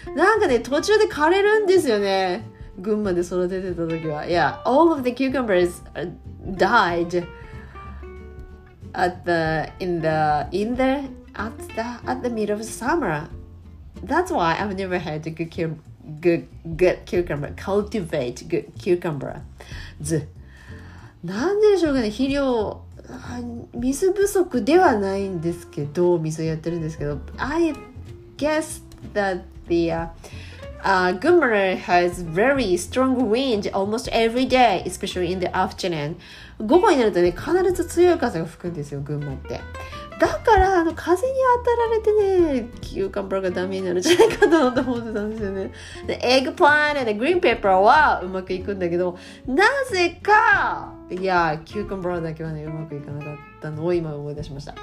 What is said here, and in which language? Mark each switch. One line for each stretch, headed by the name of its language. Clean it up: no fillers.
Japanese: なんかね、途中で枯れるんですよね。群馬で育ててた時は。
English: Yeah, all of the cucumbers died at the middle of summer. That's why I've never had a good cucumber. Cultivate good cucumber.
Japanese: なんででしょうかね、肥料。水不足ではないんですけど、水やってるんですけど、
English: I guess that the Gunma has very strong wind almost every day, especially in the afternoon.
Japanese: 午後になるとね、必ず強い風が吹くんですよ、群馬って。だから風に当たられてね、キューカンパーがダメになるんじゃないかなと思ってたんですよね。
English: The eggplant and the green pepper
Japanese: はうまくいくんだけど、なぜか。いや、キューカンバーだけはね、うまくいかなかったのを今思い出しました。